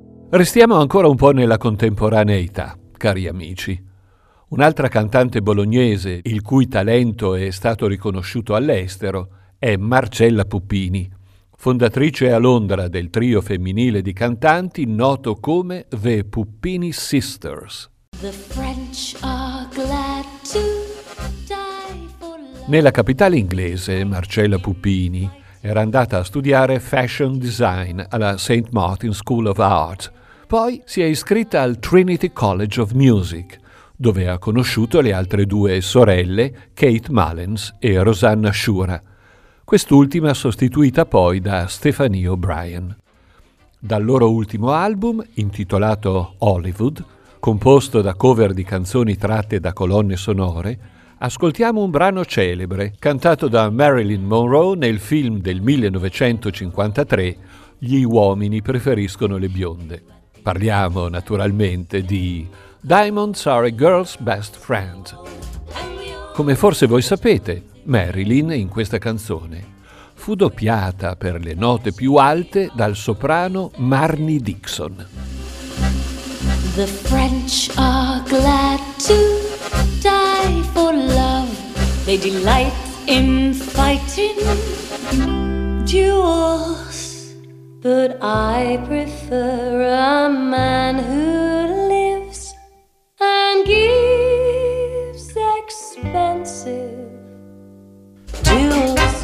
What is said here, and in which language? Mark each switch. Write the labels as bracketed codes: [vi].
[it] Restiamo ancora un po' nella contemporaneità, cari amici. Un'altra cantante bolognese, il cui talento è stato riconosciuto all'estero, è Marcella Puppini, fondatrice a Londra del trio femminile di cantanti noto come The Puppini Sisters. [en] The French are glad to die for love. [it] Nella capitale inglese, Marcella Puppini era andata a studiare fashion design alla St. Martin's School of Art. Poi si è iscritta al Trinity College of Music, dove ha conosciuto le altre due sorelle, Kate Mullins e Rosanna Shura, quest'ultima sostituita poi da Stephanie O'Brien. Dal loro ultimo album, intitolato Hollywood, composto da cover di canzoni tratte da colonne sonore, ascoltiamo un brano celebre, cantato da Marilyn Monroe nel film del 1953 Gli uomini preferiscono le bionde. Parliamo naturalmente di Diamonds Are a Girl's Best Friend. Come forse voi sapete, Marilyn in questa canzone fu doppiata per le note più alte dal soprano Marnie Dixon. [en] The French are glad to die for love. They delight in fighting duels. But I prefer a man who lives and gives expensive duels.